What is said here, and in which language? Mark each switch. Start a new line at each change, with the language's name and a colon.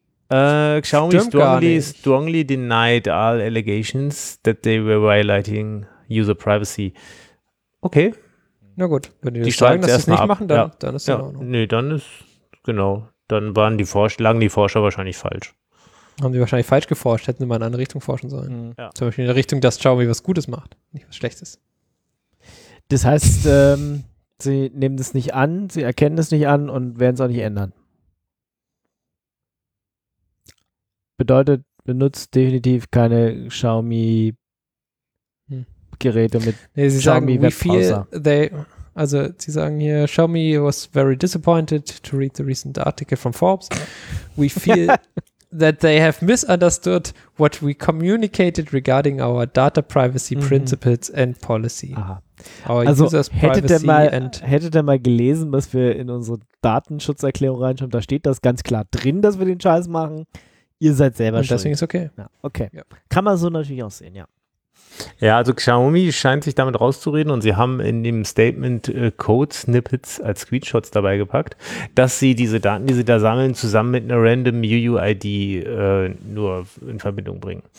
English: Xiaomi strongly denied all allegations that they were violating user privacy.
German: Okay. Na gut, wenn die das sagen, dass sie es nicht machen, dann ist es in Ordnung. Nee, dann ist, genau, dann waren die Forscher wahrscheinlich falsch. Haben sie wahrscheinlich falsch geforscht, hätten sie mal in eine andere Richtung forschen sollen. Ja. Zum Beispiel in der Richtung, dass Xiaomi was Gutes macht, nicht was Schlechtes. Das heißt, sie nehmen das nicht an, sie erkennen es nicht an und werden es auch nicht ändern. Bedeutet, benutzt definitiv keine Xiaomi Geräte mit Xiaomi Webbrowser. Also sie sagen hier,
English: Xiaomi was very disappointed to read the recent article from Forbes. We feel that they have misunderstood what we communicated regarding our data privacy principles and policy.
German: Aha. Also hättet ihr mal gelesen, was wir in unsere Datenschutzerklärung reinschauen, da steht das ganz klar drin, dass wir den Scheiß machen. Ihr seid selber schuld. Deswegen ist okay. Ja, okay. Ja. Kann man so natürlich auch sehen, ja. Ja, also Xiaomi scheint sich damit rauszureden und sie haben in dem Statement Code-Snippets als Screenshots dabei gepackt, dass sie diese Daten, die sie da sammeln, zusammen mit einer random UUID nur in Verbindung bringen.